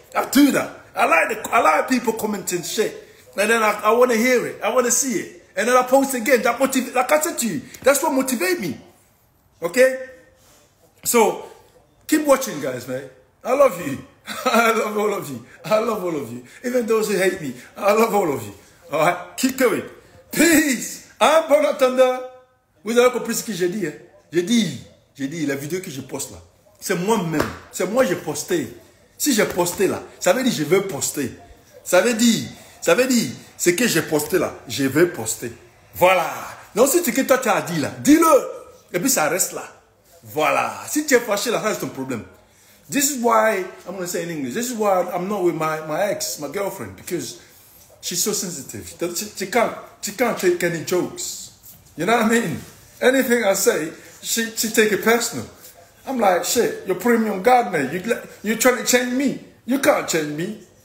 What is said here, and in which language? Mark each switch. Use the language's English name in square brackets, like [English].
[English] I do that. I like people commenting shit. And then I want to hear it. I want to see it. And then I post again. That motivate, like I said to you, that's what motivates me. Okay? So, keep watching, guys, man. I love you. I love all of you. I love all of you. Even those who hate me, I love all of you. All right? Keep going. Peace. I'm Bonatanda. [French] Vous avez compris ce que j'ai dit, hein? J'ai dit, la vidéo que je poste là, c'est moi-même. C'est moi, j'ai posté. Si j'ai posté là, ça veut dire que je veux poster. Ça veut dire, ce que j'ai posté là, je veux poster. Voilà. Donc si ce que toi tu as dit là, dis-le. Et puis ça reste là. Voilà. Si tu es fâché là, ça c'est ton problème. [English] This is why, I'm going to say in English, this is why I'm not with my ex, my girlfriend, because she's so sensitive. She can't take any jokes. You know what I mean? Anything I say, she take it personal. I'm like, shit, you're premium God, man. You're trying to change me. You can't change me.